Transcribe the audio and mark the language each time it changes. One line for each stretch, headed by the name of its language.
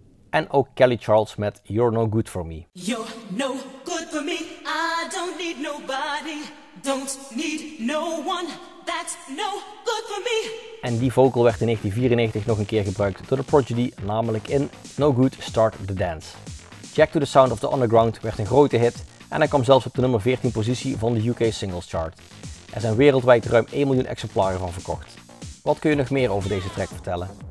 Dutch: En ook Kelly Charles met You're No Good For Me.
English: You're no good for me, I don't need nobody, don't need no one, that's no good for me.
Dutch: En die vocal werd in 1994 nog een keer gebruikt door de Prodigy, namelijk in No Good Start the Dance. Jack to the Sound of the Underground werd een grote hit en hij kwam zelfs op de nummer 14 positie van de UK Singles Chart. Er zijn wereldwijd ruim 1 miljoen exemplaren van verkocht. Wat kun je nog meer over deze track vertellen?